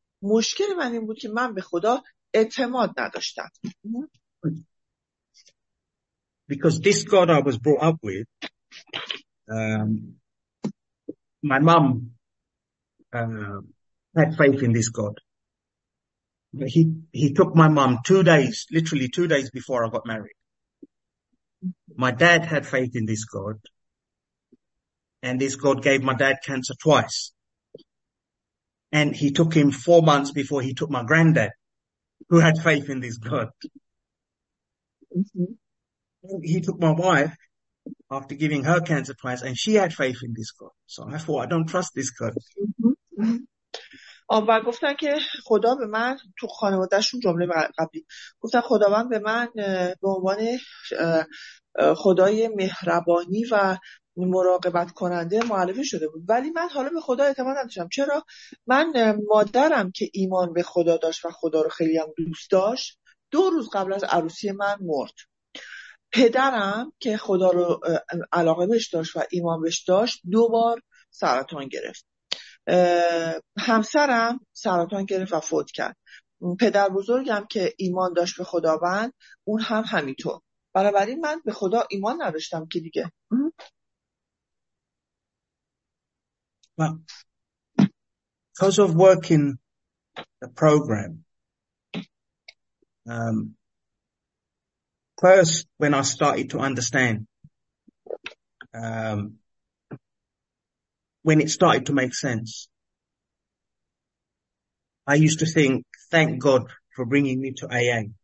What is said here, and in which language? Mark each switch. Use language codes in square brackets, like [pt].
[fa] مشکل من این بود که من به خدا اعتماد نداشتم. [en] Because this God I was brought up with, my mum had faith in this God. he took my mom 2 days, literally 2 days before I got married. My dad had faith in this God. And this God gave my dad cancer twice. And he took him 4 months before he took my granddad, who had faith in this God. Mm-hmm. He took my wife after giving her cancer twice, and she had faith in this God. So I thought, I don't trust this God. [fa] و گفتن که خدا به من تو خانوادهشون جمله قبلی گفتن خداوند به من به عنوان خدای مهربانی و مراقبت کننده معلفه شده بود، ولی من حالا به خدا اعتماد نداشتم. چرا؟ من مادرم که ایمان به خدا داشت و خدا رو خیلی هم دوست داشت 2 روز قبل از عروسی من مرد. پدرم که خدا رو علاقه بهش داشت و ایمان بهش داشت 2 بار سرطان گرفت. همسرم سرطان گرفت و فوت کرد. پدر بزرگم که ایمان داشت به خداوند، اون هم همینطور. بنابراین من به خدا ایمان نداشتم که دیگه. [en] Because of working the program, first when I started to understand, when it started to make sense, I used to think, thank God for bringing me to AA.